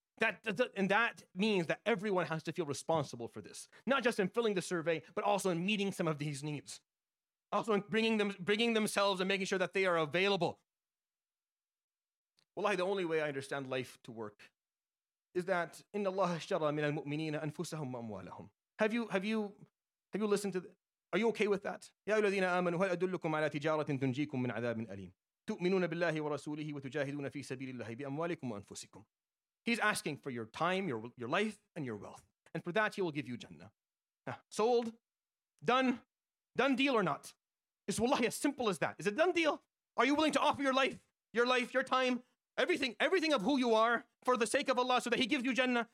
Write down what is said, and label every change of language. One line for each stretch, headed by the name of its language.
English: That means that everyone has to feel responsible for this, not just in filling the survey, but also in meeting some of these needs. Also in bringing themselves and making sure that they are available. Wallahi, the only way I understand life to work is that
Arabic: إن الله اشترى من المؤمنين أنفسهم أموالهم.
English: Have you listened to the, are you okay with that?
Arabic: يا الذين آمنوا هل أدلكم على تجارة تنجيكم من عذاب أليم تؤمنون بالله ورسوله وتجاهدون في سبيل الله بأموالكم وأنفسكم.
English: He's asking for your time, your life, and your wealth, and for that he will give you Jannah. Nah, sold, done deal or not? It's wallahi as simple as that. Is it done deal? Are you willing to offer your life, your time, Everything of who you are for the sake of Allah so that he gives you Jannah?